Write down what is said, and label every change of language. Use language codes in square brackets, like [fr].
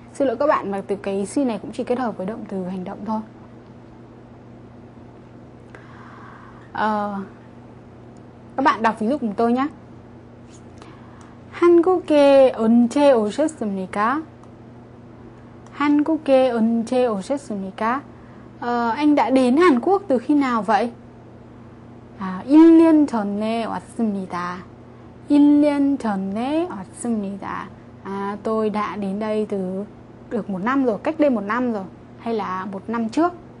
[vi] Xin lỗi các bạn, mà từ cái si này cũng chỉ kết hợp với động từ hành động thôi. Các bạn đọc ví dụ cùng tôi nhé. [ko] 한국에 언제 오셨습니까? 한국에 언제 오셨습니까? [vi] Anh đã đến Hàn Quốc từ khi nào vậy? [ko] 1년 전에 왔습니다. 1년 전에 왔습니다. [vi] Tôi đã đến đây từ được một năm rồi, cách đây một năm rồi, hay là một năm trước.